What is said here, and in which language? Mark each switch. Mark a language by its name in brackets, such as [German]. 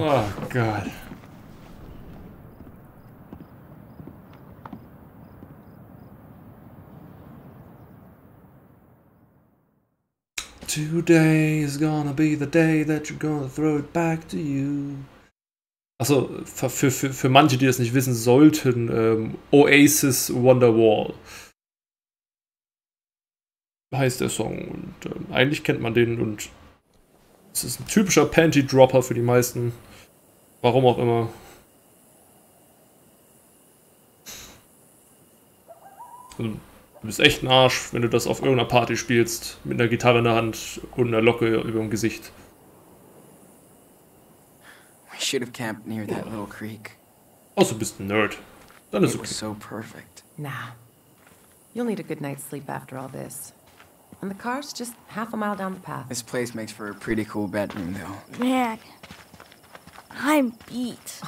[English] Oh, God. Today is gonna be the day that you're gonna throw it back to you. [German] Also, für manche, die es nicht wissen sollten, Oasis Wonderwall heißt der Song. Und eigentlich kennt man den und es ist ein typischer Panty-Dropper für die meisten. Warum auch immer. Du bist echt ein Arsch, wenn du das auf irgendeiner Party spielst, mit einer Gitarre in der Hand und einer Locke über dem Gesicht. [English] We should have camped near that little creek. [German] Also bist ein Nerd. Dann ist it okay. [English] Was so perfect. Nah. You'll need a good night's sleep after all this. And the car's just half a mile down the path. This place makes for a pretty cool bedroom, though. Man, I'm beat.